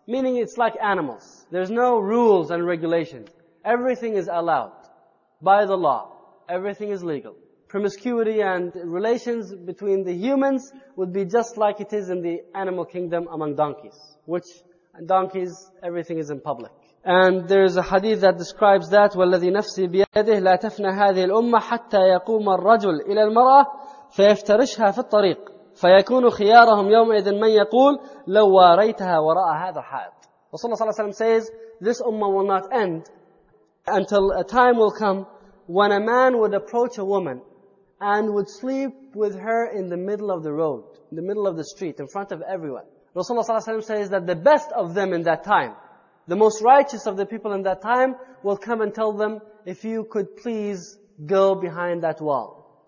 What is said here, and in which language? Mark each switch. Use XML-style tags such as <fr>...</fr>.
<en>Meaning it's like animals. There's no rules and regulations. Everything is allowed by the law. Everything is legal. promiscuity and relations between the humans would be just like it is in the animal kingdom among donkeys. Which, donkeys, everything is in public. And there is a hadith that describes that,</en> <ar>وَالَّذِي نَفْسِي بِيَدِهِ لَا تَفْنَى هَذِهِ الْأُمَّةِ حَتَّى يَقُومَ الرَّجُلُ إِلَى الْمَرَأَةِ فَيَفْتَرِشْهَا فِي الطَّرِيقِ فَيَكُونُ خِيَارَهُمْ يَوْمَئِذٍ مَنْ يَقُولُ لَوْ وَارَيْتَهَا وَرَأَى هَذَا حَادٍ.</ar> <en>Rasulullah sallallahu alayhi wa sallam says, this ummah will not end until a time will come when a man would approach a woman and would sleep with her in the middle of the road, in the middle of the street, in front of everyone. Rasulullah sallallahu alayhi wa sallam says that the best of them in that time, the most righteous of the people in that time, will come and tell them, if you could please go behind that wall.</en>